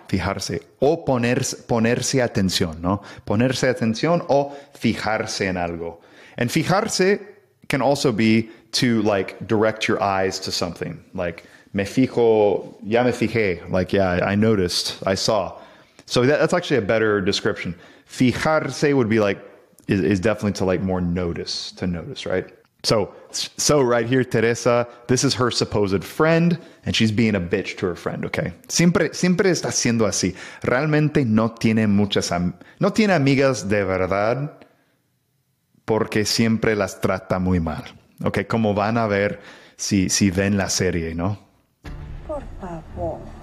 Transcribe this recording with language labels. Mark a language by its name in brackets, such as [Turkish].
[Spanish] Fijarse o ponerse atención, ¿no? Ponerse atención o fijarse en algo. [English] And fijarse can also be to like direct your eyes to something. Like [Spanish] me fijo, ya me fijé. [English] Like, yeah, I noticed, I saw. So that's actually a better description. Fijarse would be like, is definitely to like more notice, to notice, right? So right here, Teresa, this is her supposed friend, and she's being a bitch to her friend, okay? [Spanish] Siempre está siendo así. Realmente no tiene amigas de verdad, porque siempre las trata muy mal. Okay, como van a ver si ven la serie, ¿no? Por favor.